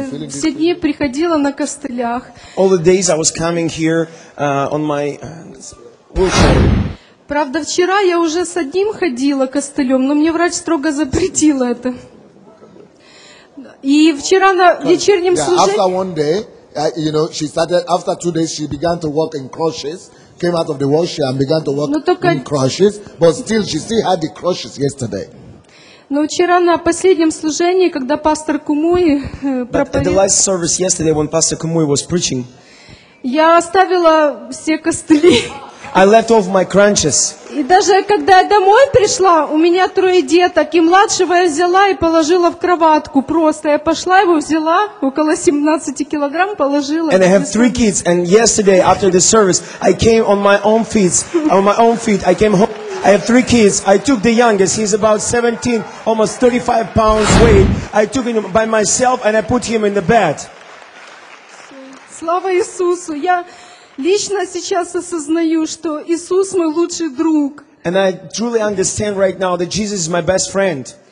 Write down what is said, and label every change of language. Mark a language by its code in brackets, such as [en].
[ru] Все дни приходила на костылях. [en] All the days I was coming here on my wheelchair. [ru] Правда, вчера я уже с одним ходила костылем, но мне врач строго запретил это. И вчера на вечернем служении. [en] After one day, you know, she started. After 2 days, she began to walk in crutches. Came out of the wheelchair and began to walk in crutches, but still she still had the crutches yesterday. [ru] Но вчера на последнем служении, когда пастор Кумуи проповедовал. [en] At the last service yesterday, when Pastor Kumuyi was preaching, [ru] я оставила все костыли. [en] I left off my crutches. [ru] И даже когда я домой пришла, у меня трое деток, и младшего я взяла и положила в кроватку. Просто я пошла его взяла, около 17 килограмм положила. [en] And I have three kids. And yesterday after the service, I came on my own feet. On my own feet, I came home. I have three kids. I took the youngest. He's about 17, almost 35 pounds weight. I took him by myself and I put him in the bed. [ru] Слава Иисусу, я лично сейчас осознаю, что Иисус мой лучший друг. [en] And I truly understand right now that Jesus is my best friend.